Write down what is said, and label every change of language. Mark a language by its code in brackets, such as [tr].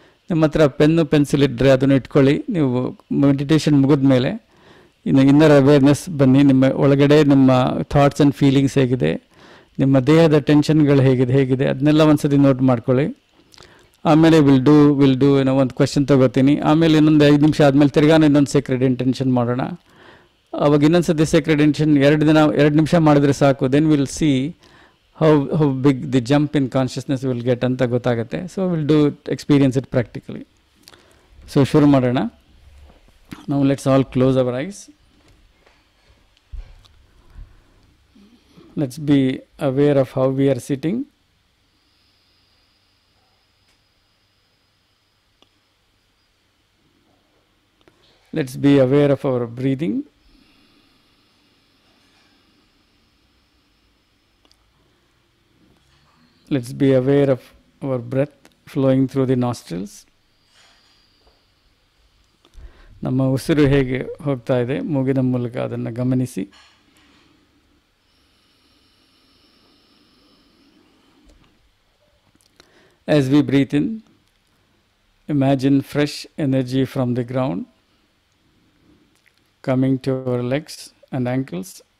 [kn] ನಿಮ್ಮ ಹತ್ರ pen pencil ಇದ್ದರೆ ಅದನ್ನು ಇಟ್ಕೊಳ್ಳಿ. ನೀವು ಮೆಡಿಟೇಷನ್ ಮುಗಿದ ಮೇಲೆ ಇನ್ನು ಇನ್ನರ್ ಅವೇರ್ನೆಸ್ ಬನ್ನಿ, ನಿಮ್ಮ ಒಳಗಡೆ ನಿಮ್ಮ ಥಾಟ್ಸ್ ಆ್ಯಂಡ್ ಫೀಲಿಂಗ್ಸ್ ಹೇಗಿದೆ, ನಿಮ್ಮ ದೇಹದ ಟೆನ್ಷನ್ಗಳು ಹೇಗಿದೆ ಹೇಗಿದೆ ಅದನ್ನೆಲ್ಲ ಒಂದ್ಸತಿ ನೋಟ್ ಮಾಡ್ಕೊಳ್ಳಿ. ಆಮೇಲೆ [en] will do [kn] ಏನೋ ಒಂದು ಕ್ವೆಶನ್ ತೊಗೋತೀನಿ. ಆಮೇಲೆ ಇನ್ನೊಂದು 5 ನಿಮಿಷ ಆದಮೇಲೆ ತಿರ್ಗಾನು ಇನ್ನೊಂದು ಸೀಕ್ರೆಟ್ ಇಂಟೆನ್ಷನ್ ಮಾಡೋಣ. ಅವಾಗ ಇನ್ನೊಂದ್ಸತಿ ಸೀಕ್ರೆಟ್ ಇಂಟೆನ್ಷನ್ 2 ನಿಮಿಷ ಮಾಡಿದ್ರೆ ಸಾಕು, [en] then will see how big the jump in consciousness will get [kn] anta gotagutte. [en] So we'll do it, experience it practically. So [kn] shuru madana. [en] Now let's all close our eyes. Let's be aware of how we are sitting. Let's be aware of our breathing. Let's be aware of our breath flowing through the nostrils. [kn] ನಮ್ಮ ಉಸಿರು ಹೇಗೆ ಹೋಗ್ತಾ ಇದೆ ಮೂಗಿನ ಮೂಲಕ ಅದನ್ನು ಗಮನಿಸಿ. [en] As we breathe in, imagine fresh energy from the ground coming to our legs and ankles.